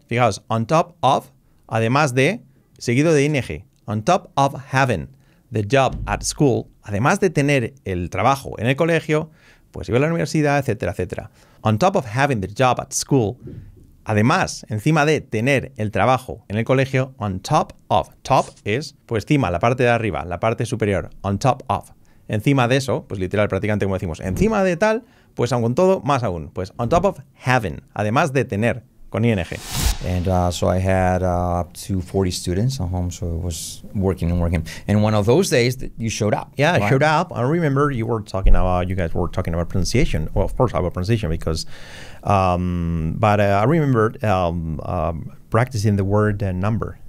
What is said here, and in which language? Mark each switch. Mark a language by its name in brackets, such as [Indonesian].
[Spanish] Fijaos, [English] on top of, [Spanish] además de, seguido de ing. [English] On top of having the job at school. [Spanish] Además de tener el trabajo en el colegio, pues iba a la universidad, etcétera, etcétera. [English] On top of having the job at school. [Spanish] Además, encima de tener el trabajo en el colegio, [English] on top of. [Spanish] Top es, pues, encima, la parte de arriba, la parte superior. [English] On top of. [Spanish] Encima de eso, pues, literal, prácticamente, como decimos, encima de tal, pues, aún con todo, más aún. Pues, [English] on top of having. [Spanish] Además de tener, con ING. [English] And so I had up to 40 students at home, so it was working and working. And one of those days, you showed up. Yeah, right? I showed up. I remember you were talking about, you guys were talking about pronunciation. Well, of course, about pronunciation, because, I remember practicing the word number.